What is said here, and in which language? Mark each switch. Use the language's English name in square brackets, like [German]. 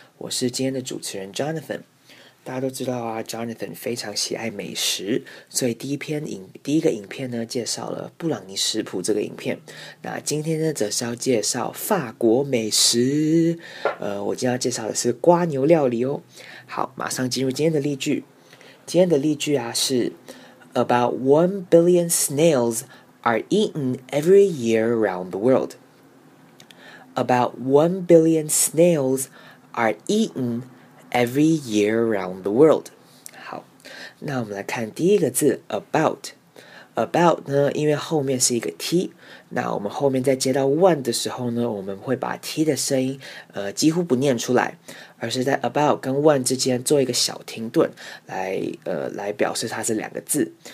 [Chinese] 我是今天的主持人 Jonathan。大家都知道啊 ，Jonathan 非常喜爱美食，所以第一个影片呢，介绍了布朗尼食谱这个影片。那今天呢，则是要介绍法国美食。我今天要介绍的是瓜牛料理哦。好，马上进入今天的例句。今天的例句啊是 [English] About 1 billion snails are eaten every year around the world. About 1 billion snails are eaten. Every year around the world. [Chinese] 好，那我们来看第一个字 about. About 呢，因为后面是一个 t， 那我们后面在接到 one 的时候呢，我们会把 t 的声音几乎不念出来，而是在 about 跟 one 之间做一个小停顿，来表示它是两个字。